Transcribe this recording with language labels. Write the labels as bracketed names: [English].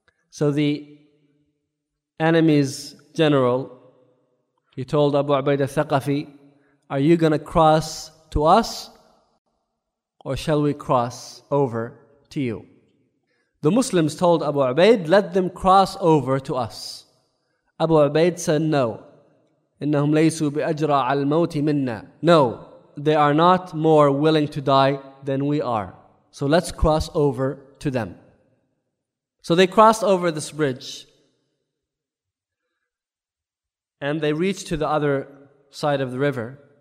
[English] So the enemy's general He told Abu Ubaidah Thaqafi, "Are you going to cross to us, or shall we cross over to you?" The Muslims told Abu Ubaid, "Let them cross over to us." Abu Ubaid said, "No. [Arabic] إنهم ليسوا بأجرع الموت منا." [English] No, they are not more willing to die than we are. So let's cross over to them. So they crossed over this bridge, and they reached to the other side of the river.